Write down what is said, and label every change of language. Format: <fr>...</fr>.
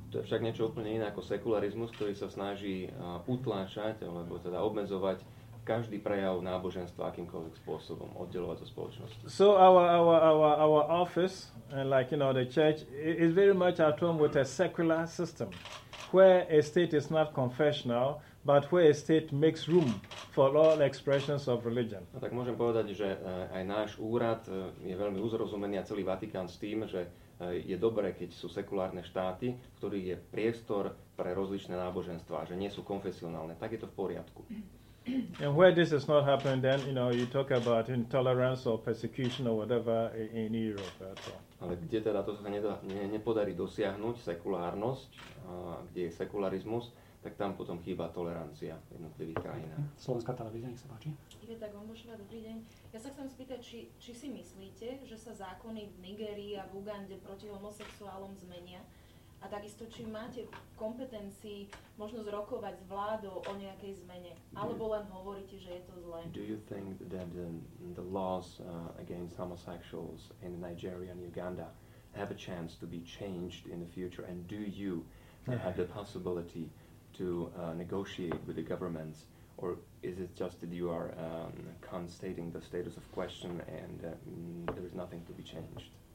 <sk>To je však niečo úplne iné ako sekularizmus, ktorý sa snaží utláčať, alebo teda obmedzovať každý prejav náboženstva akýmkoľvek spôsobom, oddeľovať to spoločnosti.</sk> <en>So our office, like, you know, the church, is very much at home with a secular system. Where a state is not confessional, but where a state makes room for all expressions of religion.</en> <sk>A tak môžem povedať, že aj náš úrad je veľmi uzrozumený a celý Vatikán s tým, že je dobré, keď sú sekulárne štáty, v ktorých je priestor pre rozličné náboženstvá, že nie sú konfesionálne. Tak je to v poriadku.</sk> <en>And where this is not happening, then, you know, you talk about intolerance or persecution or whatever in Europe.</en> <sk>Ale kde teda to sa nepodarí dosiahnuť, sekulárnosť, kde je sekularizmus, tak tam potom chýba tolerancia v jednotlivých krajinách. Slovenská televízia, nech sa páči. Ide tak, Bombošová, dobrý deň. Ja sa chcem spýtať, či si myslíte, že sa zákony v Nigérii a v Ugande proti homosexuálom zmenia? A takisto, či máte kompetencii možnosť rokovať s vládou o nejakej zmene? Alebo len hovoríte, že je to zle?</sk> <en>Do you think that the laws against homosexuals in Nigeria and Uganda have a chance to be changed in the future? And do you have the possibility to negotiate with the governments? Or is it just that you are constating the status of question and there is nothing to be changed?</en>